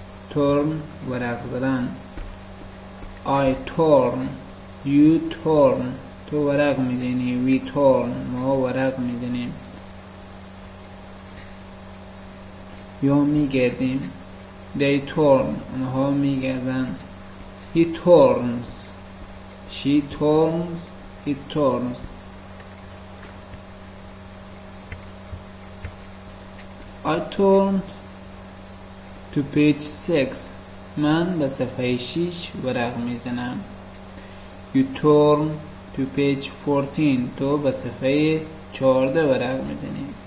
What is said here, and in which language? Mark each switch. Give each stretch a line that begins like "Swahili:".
Persian: Turn, ورق زدن.
English: I turn, you turn,
Persian: تو ورق می زنی.
English: We turn,
Persian: ما ورق می زنیم یا می گردیم.
English: They turn,
Persian: آنها می گردن.
English: He turns, she turns, he turns. I turn to page 6,
Persian: من به صفحه 6 ورق می زنم.
English: You turn to page 14,
Persian: تو به صفحه 14 ورق می زنی.